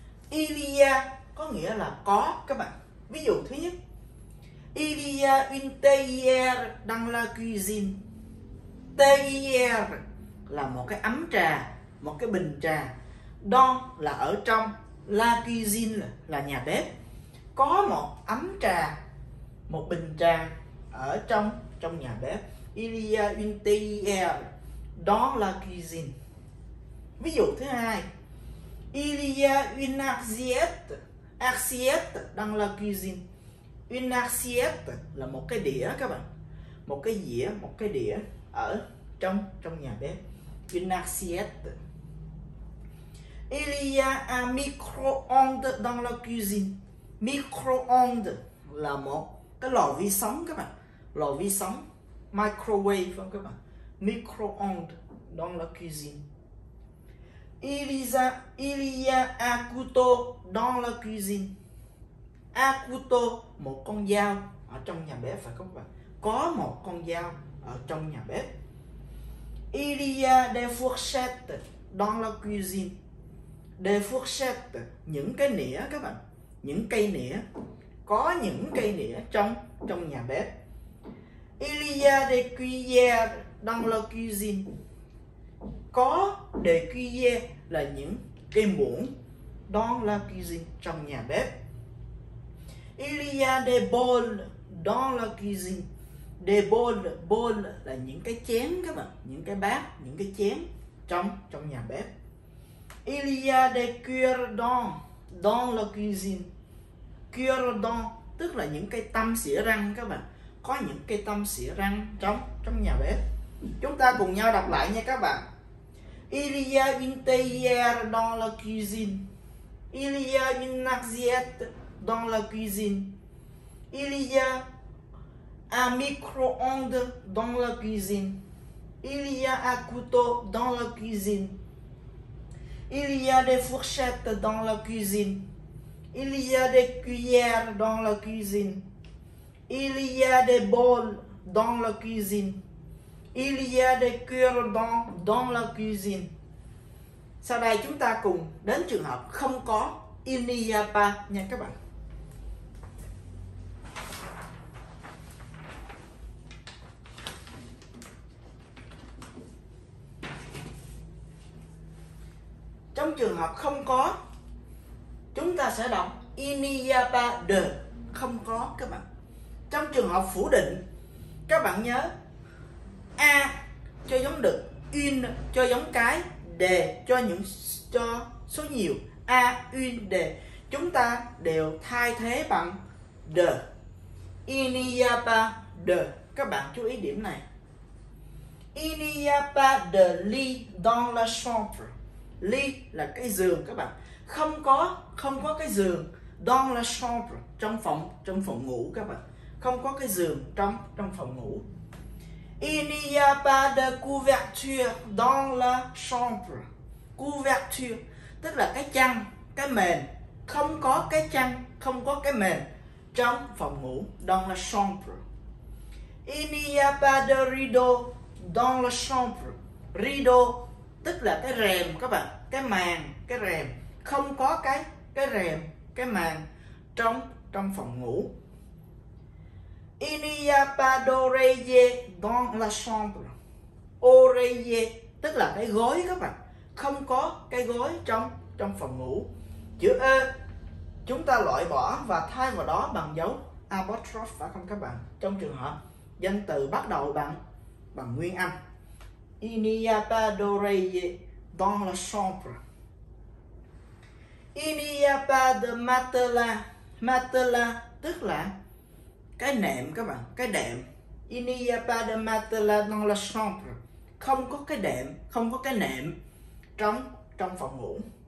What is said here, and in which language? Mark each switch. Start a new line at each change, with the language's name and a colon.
Vietnamese: Elia có nghĩa là có các bạn. Ví dụ thứ nhất,
French: Elia une théière dans la cuisine.
Vietnamese: Théière là một cái ấm trà, một cái bình trà. Dans là ở trong,
French: la cuisine
Vietnamese: là nhà bếp. Có một ấm trà, một bình trà ở trong nhà bếp.
French: Il y a une théière dans la cuisine.
Vietnamese: Ví dụ thứ hai,
French: il y a une assiette dans la cuisine. Une assiette
Vietnamese: là một cái đĩa các bạn, một cái dĩa, một cái đĩa ở trong nhà bếp.
French: Une assiette. Il y a un micro-ondes dans la cuisine.
Vietnamese: Micro-ondes là một cái lò vi sóng các bạn, lò vi sóng, microwave không các bạn.
French: Micro-ondes dans la cuisine. Il y a un couteau dans la cuisine. Un couteau,
Vietnamese: một con dao ở trong nhà bếp phải không các bạn? Có một con dao ở trong nhà bếp.
French: Il y a des fourchettes dans la cuisine. Des fourchettes,
Vietnamese: những cái nĩa các bạn. Những cây nĩa, có những cây nĩa trong nhà bếp.
French: Il y a des cuillères dans la cuisine.
Vietnamese: Có
French: des cuillères
Vietnamese: là những cây muỗng
French: dans la cuisine,
Vietnamese: trong nhà bếp.
French: Il y a des bols dans la cuisine. Des bols
Vietnamese: là những cái chén các bạn, những cái bát, những cái chén trong nhà bếp.
French: Il y a des cuillères dans la cuisine.
Vietnamese: Cuillardon tức là những cây tăm xỉa răng các bạn. Có những cây tăm xỉa răng trong nhà bếp. Chúng ta cùng nhau đọc lại nha các bạn.
French: Il y a une théière dans la cuisine. Il y a une assiette dans la cuisine. Il y a un micro-ondes dans la cuisine. Il y a un couteau dans la cuisine. Il y a des fourchettes dans la cuisine. Il y a des cuillères dans la cuisine. Il y a des bols dans la cuisine. Il y a des cuillères dans la cuisine.
Vietnamese: Sau đây chúng ta cùng đến trường hợp không có
French: il n'y a pas
Vietnamese: nha các bạn. Trong trường hợp không có, chúng ta sẽ đọc
French: il n'y a pas de,
Vietnamese: không có các bạn. Trong trường hợp phủ định, các bạn nhớ a cho giống được, in cho giống cái, de cho số nhiều. A, in, de, chúng ta đều thay thế bằng de.
French: Il n'y a pas de,
Vietnamese: các bạn chú ý điểm này.
French: Il n'y a pas de lit dans la chambre. Lit
Vietnamese: là cái giường các bạn. Không có cái giường,
French: dans la chambre,
Vietnamese: trong phòng ngủ các bạn. Không có cái giường trong trong phòng ngủ.
French: Il n'y a pas de couverture dans la chambre.
Vietnamese: Couverture tức là cái chăn, cái mền. Không có cái chăn, không có cái mền trong phòng ngủ,
French: dans la chambre. Il n'y a pas de rideau dans la chambre.
Vietnamese: Rideau tức là cái rèm các bạn, cái màn, cái rèm. Không có cái rèm, cái màn trong trong phòng ngủ.
French: Il n'y a pas d'oreiller dans la chambre.
Vietnamese: Oreiller tức là cái gối các bạn. Không có cái gối trong trong phòng ngủ. Chữ E chúng ta loại bỏ và thay vào đó bằng dấu apostrophe phải không các bạn? Trong trường hợp danh từ bắt đầu bằng bằng nguyên âm.
French: Il n'y a pas d'oreiller dans la chambre. Il n'y a pas de matelas.
Vietnamese: Matelas tức là cái nệm các bạn, cái đệm.
French: Il n'y a pas de matelas dans la chambre.
Vietnamese: Không có cái đệm, không có cái nệm trong trong phòng ngủ.